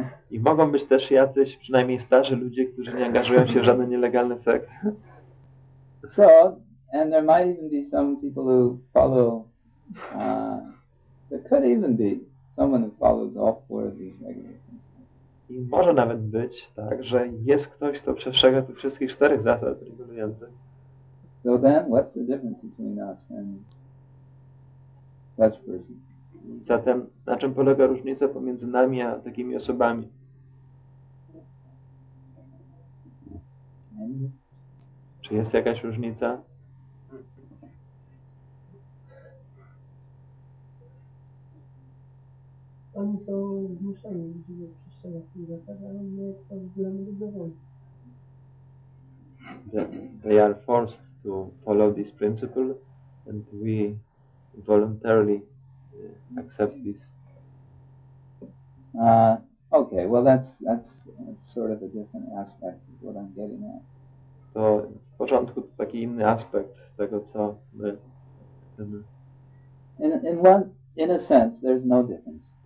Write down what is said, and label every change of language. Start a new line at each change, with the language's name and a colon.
Polish: I mogą być też jacyś, przynajmniej starzy ludzie, którzy nie angażują się w żadny nielegalny seks.
English: So, and there might even be some people who follow, there could even be someone who follows all four of these regulations.
Polish: I może nawet być tak, że jest ktoś, kto przestrzega tych wszystkich czterech zasad regulujących.
English: So then, what's the difference between us and such person?
Polish: Zatem, na czym polega różnica pomiędzy nami a takimi osobami? Czy jest jakaś różnica? Oni są zmuszeni, żeby przestrzegać tych zasad, ale my to zbieramy do dowodu.
English: They are forced to follow this principle and we voluntarily accept this. Okay, well that's sort of a different aspect of what I'm getting at.
Polish: To w porządku, to taki inny aspekt tego, co my chcemy.
English: In a sense, there's no difference.